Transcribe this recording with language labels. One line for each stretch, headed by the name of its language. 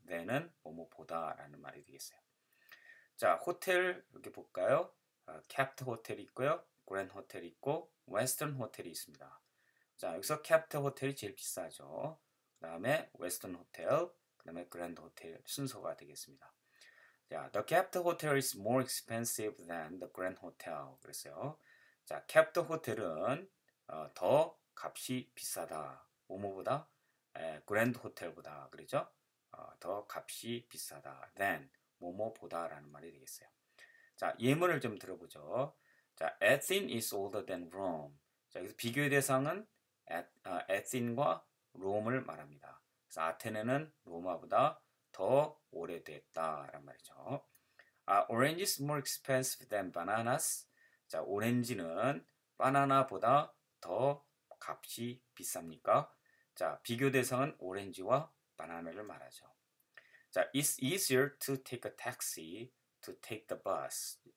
Korean: than은 뭐뭐보다라는 말이 되겠어요. 자, 호텔 여기 볼까요? 캡트 호텔이 있고요. 그랜드 호텔 있고 웨스턴 호텔이 있습니다. 자, 여기서 캡트 호텔이 제일 비싸죠. 그다음에 웨스턴 호텔, 그다음에 그랜드 호텔 순서가 되겠습니다.
English: 자, The Capital Hotel is more expensive than the Grand Hotel.
Korean: 그랬어요. 자, Capital Hotel은 더 값이 비싸다. 뭐뭐보다? Grand Hotel보다. 그렇죠? 더 값이 비싸다. than. 뭐뭐보다라는 말이 되겠어요. 자, 예문을 좀 들어보죠. 자,
English: Athens is older than Rome.
Korean: 자, 여기서 비교의 대상은 Athens과 Rome을 말합니다. 그래서 아테네는 로마보다 더 오래됐다란 말이죠.
English: 아, orange is more expensive than bananas.
Korean: 자, 오렌지는 바나나보다 더 값이 비쌉니까? 자, 비교 대상은 오렌지와 바나나를 말하죠.
English: 자, it's easier to take a taxi to take the bus.